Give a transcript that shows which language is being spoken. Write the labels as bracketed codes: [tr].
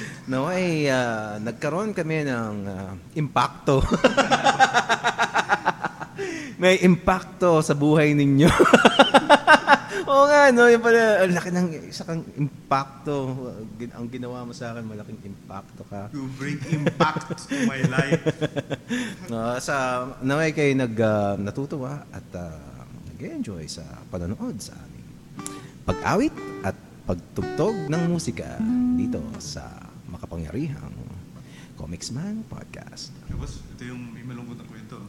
[tl] No, ay nagkaroon kami ng impacto. May impacto sa buhay ninyo. Oo nga, no? Yung pala, laki ng isa kang impacto. Ang ginawa mo sa akin, malaking impacto ka. [en] You bring impact to my life. [tl] No, ay kayo natutuwa at nag-enjoy sa panonood sa aming pag-awit at pagtugtog ng musika dito sa makapangyarihang Comics Man Podcast. Tapos, ito yung may malungkot na kwento.